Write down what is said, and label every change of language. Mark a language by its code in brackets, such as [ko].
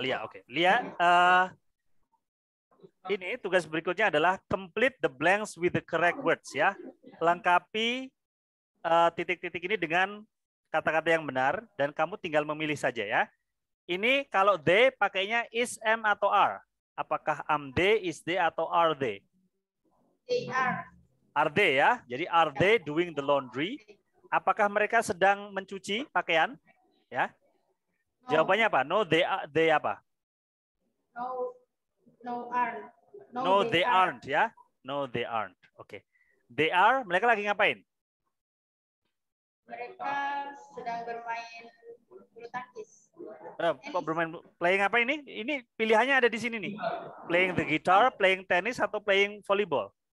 [en] Lia, okay. Lia, [id] ini tugas berikutnya adalah [en] complete the blanks with the correct words, ya. [id] Lengkapi titik-titik ini dengan kata-kata yang benar, dan kamu tinggal memilih saja, ya. Ini kalau they pakainya is, am, atau are. Apakah am they, is they, atau are they? [en] They are. Are they, ya. Jadi are they doing the laundry? [id] Apakah mereka sedang mencuci pakaian? [en] Ya. No. [id] Jawabannya apa? [en] No, they are. They apa? No, aren't. No, they aren't. Ya. No, they aren't. Oke. Okay. They are, [id] mereka lagi ngapain? Mereka sedang bermain bulu tangkis. Kok bermain playing apa ini? Ini pilihannya ada di sini nih. [en] Playing the guitar, playing tennis atau playing volleyball?